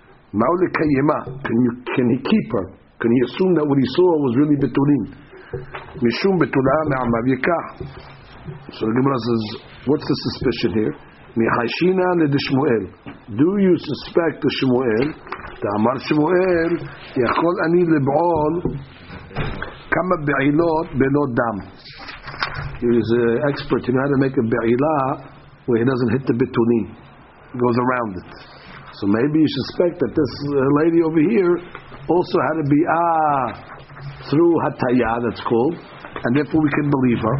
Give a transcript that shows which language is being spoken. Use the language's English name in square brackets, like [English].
[English] Now the kayima, can he keep her? Can he assume that what he saw was really betulim? [Hebrew] Mishum betula me'amav yikach. [English] So the Gemara says, what's the suspicion here? [Hebrew] Mihashina le'dishmuel. [English] Do you suspect the Shmuel [Hebrew] אמר שמואל יכול אני לבעול כמה בעילות בלא דם. [English] He is an expert in how to make a בעילה where he doesn't hit the בטונים, goes around it. So maybe you suspect that this lady over here also had a ביעה through הטיה, that's called, and therefore we can believe her.